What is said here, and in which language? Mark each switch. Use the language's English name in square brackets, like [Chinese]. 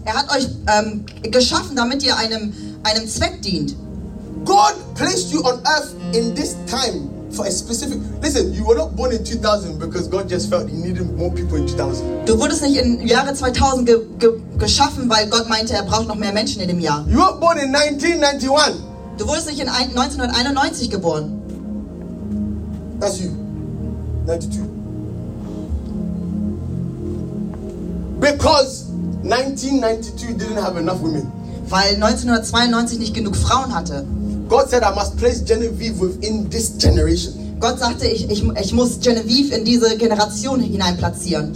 [German] Er hat euch geschaffen, damit ihr einem Zweck dient. [English] God placed you on earth in this time for a specific. Listen, you were not born in 2000 because God just felt he needed more people in 2000. [German] Du wurdest nicht im Jahre 2000 geschaffen, weil Gott meinte, er braucht noch mehr Menschen in dem Jahr. [English] You were born in 1991. [German] Du wurdest nicht in 1991 geboren. [English] That's you. 92. Because 1992 didn't have enough women. [German] Weil 1992 nicht genug Frauen hatte. [English] God said, I must place Genevieve within this generation. [German] Gott sagte, ich muss Genevieve in diese Generation hinein platzieren.